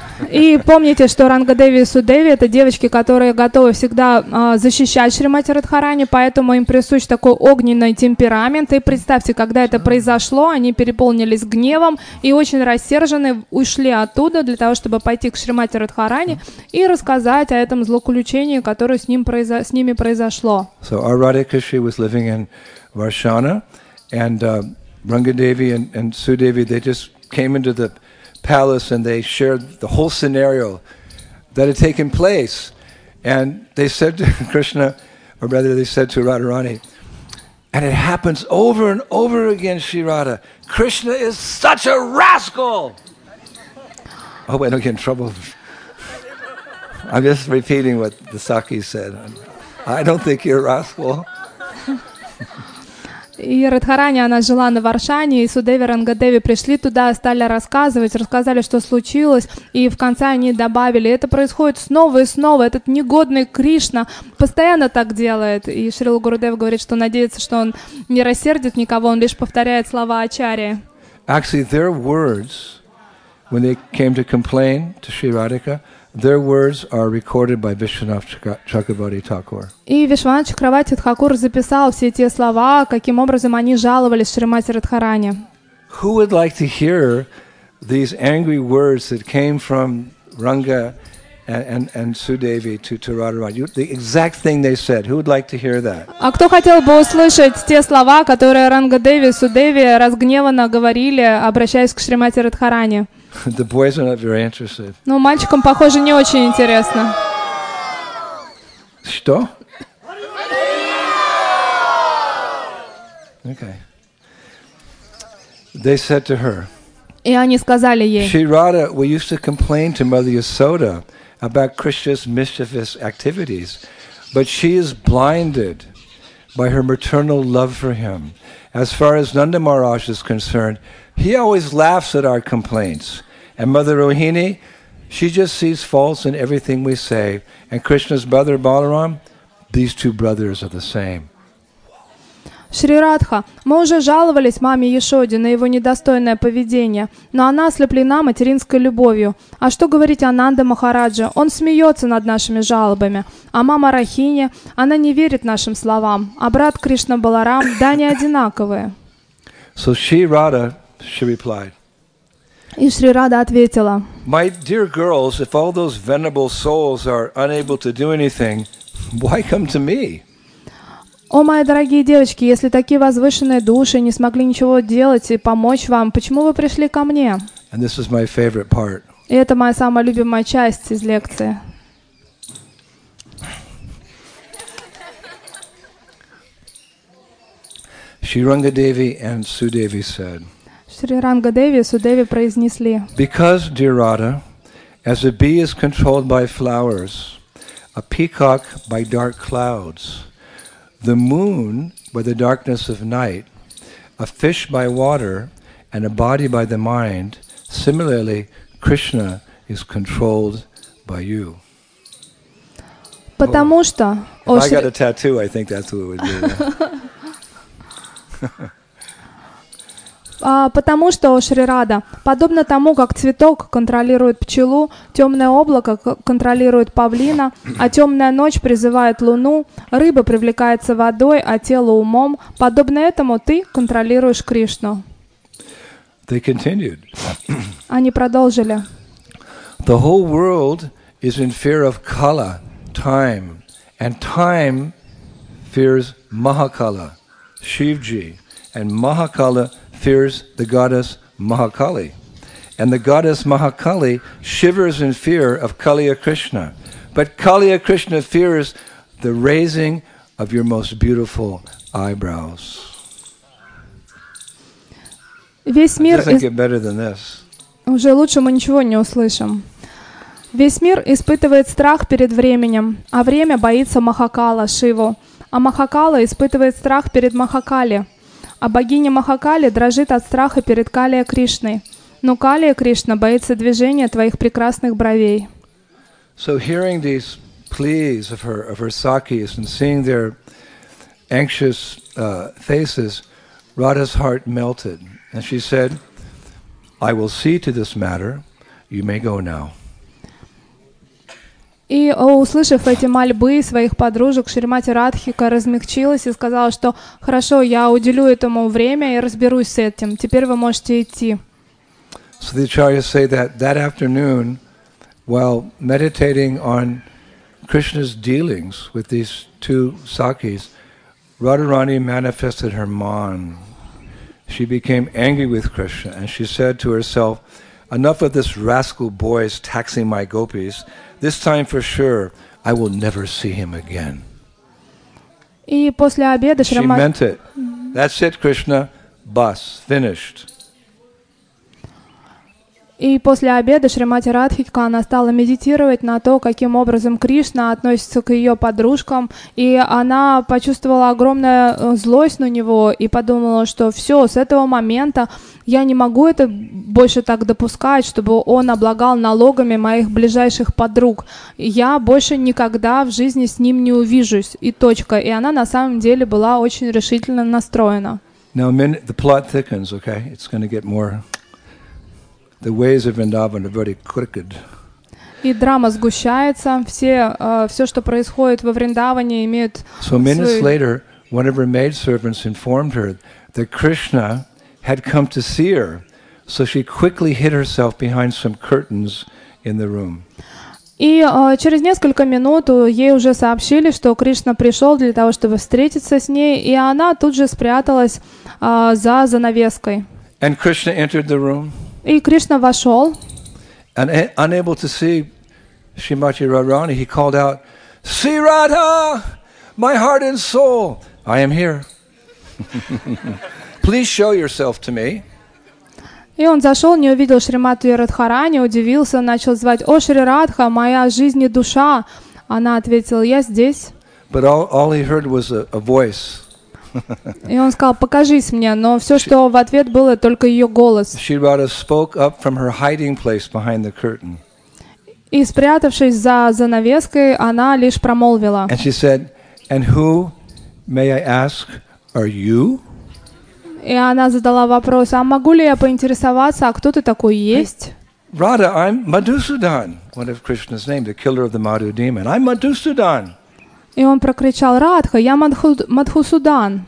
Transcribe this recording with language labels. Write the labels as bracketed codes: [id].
[ru] И помните, что Ранга Деви и Су Деви это девочки, которые готовы всегда защищать Шримати Радхарани, поэтому им присущ такой огненный темперамент. И представьте, когда это произошло, они переполнились гневом и очень рассержены ушли оттуда для того, чтобы пойти к Шримати Радхарани и рассказать о этом злоключении, которое с ними произошло. [en] So our Radhika Shri was living in Varshana, and Ranga Devi and Su Devi, they just came into the palace and they shared the whole scenario that had taken place, and they said to Krishna, or rather they said to Radharani, and it happens over and over again, Shri Radha, Krishna is such a rascal. Oh, I don't get in trouble. I'm just repeating what the Sakhi said. I don't think you're a rascal. [ru] И Радхарани, она жила на Варшане, и Судеви и Рангадеви пришли туда, стали рассказывать, рассказали, что случилось, и в конце они добавили, это происходит снова и снова, этот негодный Кришна постоянно так делает. И Шрила Гурудев говорит, что надеется, что он не рассердит никого, он лишь повторяет слова Ачарьи. [en] Actually, their words, when they came to complain to Sri Radhika, their words are recorded by Vishwanath Chakravarti Thakur. [ru] И Вишванат Чакравати Тхакур записал все те слова, каким образом они жаловались Шримати Радхарани. [en] Who would like to hear these angry words that came from Ranga and Su Devi to Radharani? The exact thing they said. Who would like to hear that? [ru] А кто хотел бы услышать те слова, которые Ранга Деви и Су Деви разгневанно говорили, обращаясь к Шримати Радхарани? [en] The boys are not very interested. [ru] Ну, мальчикам, похоже, не очень интересно. Что? [en] Okay. They said to her. [ru] И они сказали ей. [en] Shri Radha, we used to complain to Mother Yasoda about Krishna's mischievous activities, but she is blinded by her maternal love for him. As far as Nanda Maharaj is concerned, he always laughs at our complaints. And Mother Rohini, she just sees faults in everything we say. And Krishna's brother Balaram, these two brothers are the same. [ru] Шри Радха, мы уже жаловались маме Яшоде на его недостойное поведение, но она ослеплена материнской любовью. А что говорить о Нанда Махараджа? Он смеется над нашими жалобами. А мама Рахини, она не верит нашим словам. А брат Кришна Баларам, да, не одинаковые. [en] So she, Radha, she replied. [ru] И Шри Радха ответила. [en] My dear girls, if all those venerable souls are unable to do anything, why come to me? [ru] О, мои дорогие девочки, если такие возвышенные души не смогли ничего делать и помочь вам, почему вы пришли ко мне? [en] And this is my favorite part. [ru] И это моя самая любимая часть из лекции. [en] Shri Ranga Devi and Sudevi said. [ru] Shri Ranga Devi and Sudevi произнесли. [en] Because, dear Radha, as a bee is controlled by flowers, a peacock by dark clouds. The moon by the darkness of night, a fish by water, and a body by the mind. Similarly, Krishna is controlled by you. [ru] Потому oh. что. [en] If oh, I got a tattoo, I think that's what it would be. [ru] Потому что, о Шри Радха, подобно тому, как цветок контролирует пчелу, темное облако контролирует павлина, а темная ночь призывает луну, рыба привлекается водой, а тело умом, подобно этому ты контролируешь Кришну. [en] They continued. [ru] Они продолжили. [en] The whole world is in fear of Kala, time, and time fears Mahakala, Shivji, and Mahakala fears the goddess Mahakali. And the goddess Mahakali shivers in fear of Kaliya Krishna. But Kaliya Krishna fears the raising of your most beautiful eyebrows. [ru] Весь мир [en] doesn't get better than this. [ru] Уже лучше мы ничего не услышим. Весь мир испытывает страх перед временем, а время боится Махакала, Шиву. А Махакала испытывает страх перед Махакали. А богиня Махакали дрожит от страха перед Калия Кришной. Но Калия Кришна боится движения твоих прекрасных бровей. [en] So hearing these pleas of her sakis and seeing their anxious faces, Radha's heart melted. And she said, I will see to this matter. You may go now. [ru] И, услышав эти мольбы своих подружек, Шримати Радхика размягчилась и сказала, что «Хорошо, я уделю этому время и разберусь с этим. Теперь вы можете идти». [en] So the acharyas say that that afternoon, while meditating on Krishna's dealings with these two sakis, Radharani manifested her man. She became angry with Krishna, and she said to herself, «Enough of this rascal boy's taxing my gopis». This time for sure, I will never see him again. [ru] И после обеда [en] Шримати... She meant it. That's it, Krishna. Bus. Finished. [ru] И после обеда Шримати Радхика, она стала медитировать на то, каким образом Кришна относится к ее подружкам, и она почувствовала огромную злость на него и подумала, что все, с этого момента я не могу это больше так допускать, чтобы он облагал налогами моих ближайших подруг. Я больше никогда в жизни с ним не увижусь, и точка. И она на самом деле была очень решительно настроена. [en] Now, the plot thickens, okay? It's going to get more... The ways of Vrindavan are very crooked. [ru] И драма сгущается. Все, все, что происходит во Вриндаване, имеет свой... [en] So minutes later, one of her maidservants informed her that Krishna had come to see her. So she quickly hid herself behind some curtains in the room. [ru] И через несколько минут ей уже сообщили, что Кришна пришел для того, чтобы встретиться с ней. И она тут же спряталась за занавеской. [en] And Krishna entered the room. [ru] И Кришна вошел. [en] And unable to see Srimati Radharani, he called out, Sri Radha, my heart and soul, I am here. Please show yourself to me. [ru] И он зашел, не увидел Шримати Радхарани, удивился, начал звать, о, Шри Радха, моя жизнь и душа. Она ответила, я здесь. [en] But all he heard was a voice. [ru] И он сказал, покажись мне, но все, что в ответ было, только ее голос. [en] Shri Radha spoke up from her hiding place behind the curtain. [ru] И спрятавшись за занавеской, она лишь промолвила. [en] And she said, and who, may I ask, are you? [ru] И она задала вопрос: а могу ли я поинтересоваться, а кто ты такой есть? [en] Radha, I'm Madhusudan, one of Krishna's names, the killer of the Madhu demon. I'm Madhusudan. [ru] И он прокричал: Радха, я Мадхусудан.